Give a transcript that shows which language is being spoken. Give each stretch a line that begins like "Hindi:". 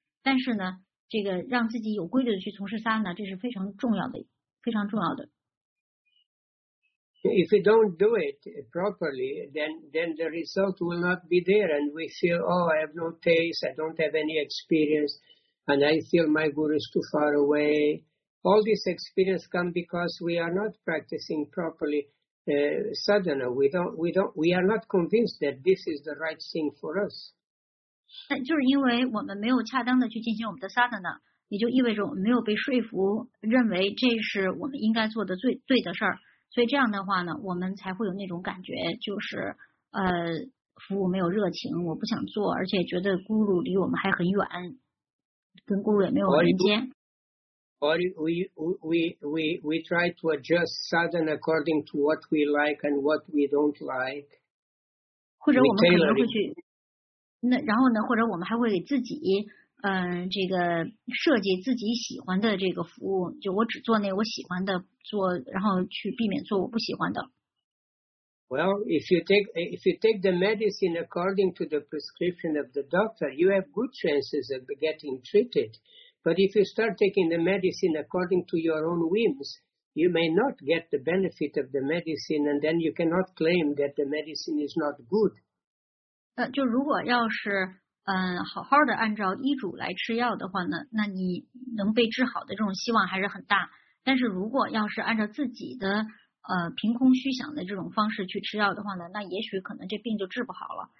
Chinese: 但是呢，这个让自己有规律的去从事萨呢，这是非常重要的，非常重要的。
English: If we don't do it properly, then the result will not be there, and we feel, oh, I have no taste, I don't have any experience. And I feel my guru is too far away. All this experience comes because we are not practicing properly. Sadhana, we are not convinced that this is the right thing for us.
Chinese: 就是因为我们没有恰当的去进行我们的 sadhana， 也就意味着我们没有被说服，认为这是我们应该做的最的事儿。所以这样的话呢，我们才会有那种感觉，就是服务没有热情，我不想做，而且觉得guru离我们还很远。跟顾也没有连接。
English: Or we try to adjust sudden according to what we like and what we don't like.
Chinese: 或者我们可能会去，那然后呢？或者我们还会给自己，这个设计自己喜欢的这个服务，就我只做那我喜欢的做，然后去避免做我不喜欢的。
English: Well, if you take the medicine according to the prescription of the doctor, you have good chances of getting treated. But if you start taking the medicine according to your own whims, you may not get the benefit of the medicine, and then you cannot claim that the medicine is not good.
Chinese: 就如果要是好好的按照医嘱来吃药的话呢，那你能被治好的这种希望还是很大。但是如果要是按照自己的凭空虚想的这种方式去吃药的话呢，那也许可能这病就治不好了。